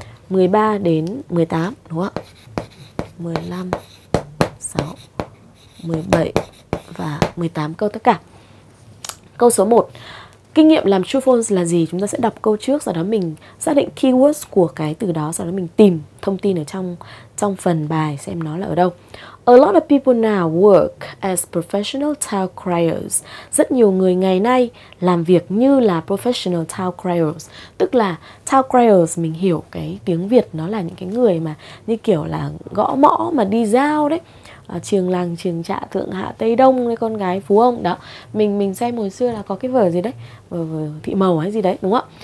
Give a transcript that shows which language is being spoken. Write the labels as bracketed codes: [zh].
[vi] 13 đến 18, đúng không ạ? 15, 6, 17 và 18 câu tất cả. Câu số 1. Kinh nghiệm làm true false là gì? Chúng ta sẽ đọc câu trước, sau đó mình xác định keywords của cái từ đó, sau đó mình tìm thông tin ở trong phần bài xem nó là ở đâu. [en] A lot of people now work as professional town criers. [vi] Rất nhiều người ngày nay làm việc như là professional town criers. Tức là town criers, mình hiểu cái tiếng Việt nó là những cái người mà như kiểu là gõ mõ mà đi giao đấy. Trường làng, trường trạ, thượng hạ, tây đông, con gái, phú ông đó. Mình xem hồi xưa là có cái vở gì đấy, vở Thị Mầu hay gì đấy, đúng không?